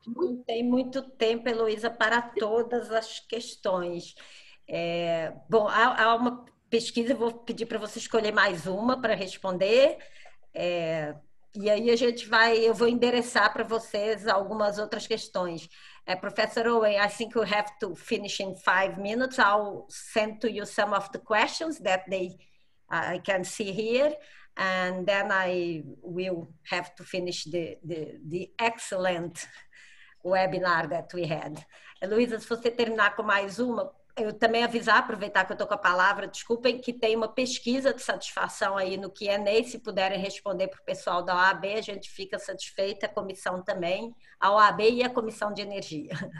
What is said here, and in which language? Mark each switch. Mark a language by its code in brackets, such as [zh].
[pt] Não tem muito tempo, Heloísa, para todas as questões. Bom, há uma pesquisa, vou pedir para você escolher mais uma para responder. E aí a gente vai, eu vou endereçar para vocês algumas outras questões. [en] Professor Owen, I think we have to finish in 5 minutes. I'll send to you some of the questions that I can see here. And then I will have to finish the excellent webinar that we had. [pt] Luísa, se você terminar com mais uma, eu também avisar, aproveitar que eu estou com a palavra, desculpem, que tem uma pesquisa de satisfação aí no Q&A, se puderem responder para o pessoal da OAB, a gente fica satisfeita, a comissão também, a OAB e a Comissão de Energia.